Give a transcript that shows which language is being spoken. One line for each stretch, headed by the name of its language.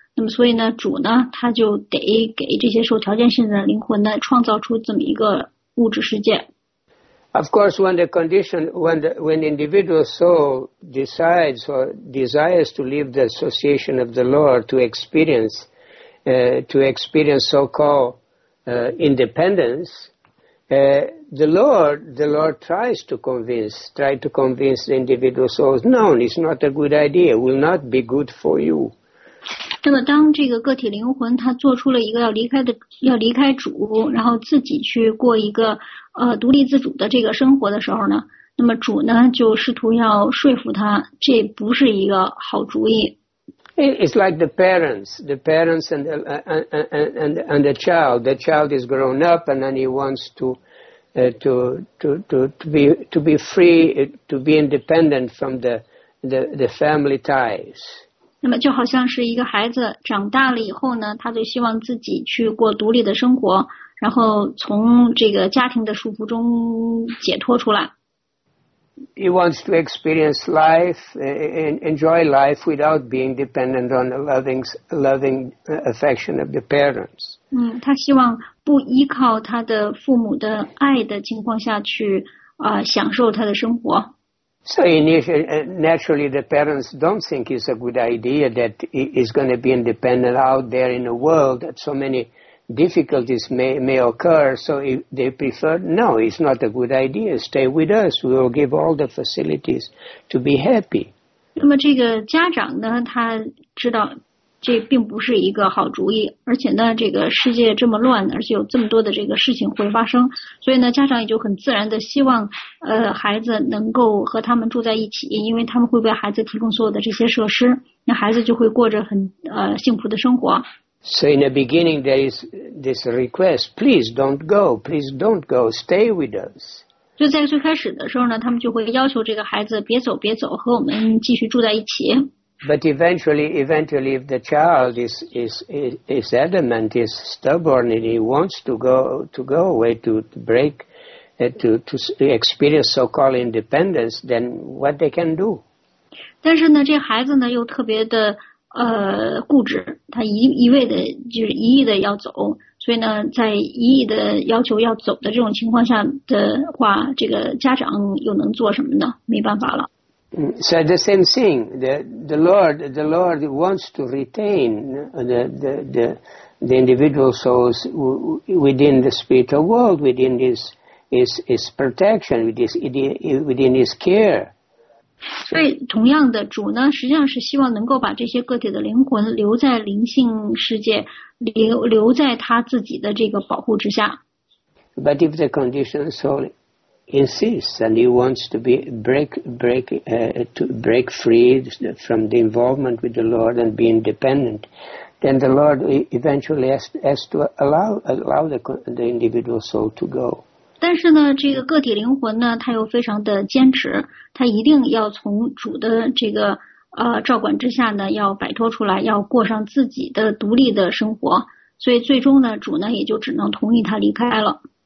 Chinese: 那么所以呢，主呢，他就得给这些受条件限制的灵魂呢，创造出这么一个物质世界。
English: Of course, when individual soul decides or desires to leave the association of the Lord to experience so-called independence, the Lord tries to convince the individual souls, no, it's not a good idea, will not be good for you.
Chinese: 那么当这个个体灵魂他做出了一个要离开主，然后自己去过一个独立自主的这个生活的时候呢，那么主呢就试图要说服他这不是一个好主意。
English: It's like the parents and the child is grown up and then he wants to be free, to be independent from the family ties.
Chinese: 那么就好像是一个孩子长大了以后呢，他就希望自己去过独立的生活，然后从这个家庭的束缚中解脱出来。
English: He wants to experience life and enjoy life without being dependent on the loving affection of the parents.
Chinese: 他希望不依靠他的父母的爱的情况下去享受他的生活。
English: So naturally, the parents don't think it's a good idea that he's going to be independent out there in a world that so many difficulties may occur. So they prefer, no, it's not a good idea. Stay with us. We will give all the facilities to be happy.
Chinese: 那么这个家长呢，他知道这并不是一个好主意，而且呢，这个世界这么乱，而且有这么多的这个事情会发生，所以呢，家长也就很自然的希望，孩子能够和他们住在一起，因为他们会为孩子提供所有的这些设施，那孩子就会过着很幸福的生活。
English: So in the beginning, there is this request: please don't go, please don't go, stay with us.
Chinese: 就在最开始的时候呢，他们就会要求这个孩子别走，别走，和我们继续住在一起。
English: But eventually, if the child is adamant, is stubborn, and he wants to go away to experience so-called independence, then what they can do?
Chinese: 但是呢，这孩子呢又特别的固执，他一意的要走，所以呢，在一意的要求要走的这种情况下的话，这个家长又能做什么呢？没办法了。
English: So the same thing, the Lord wants to retain the individual souls within the spiritual world, within his protection, within his care.
Chinese: 所以同样的，主呢实际上是希望能够把这些个体的灵魂留在灵性世界，留在他自己的这个保护之下。
English: But if the conditioned soul insists and he wants to be break free from the involvement with the Lord and be independent, then the Lord eventually has to allow the individual soul to go.
Chinese: 但是呢，这个个体灵魂呢，他又非常的坚持，他一定要从主的这个照管之下呢，要摆脱出来，要过上自己的独立的生活。所以最终呢，主呢也就只能同意他离开了。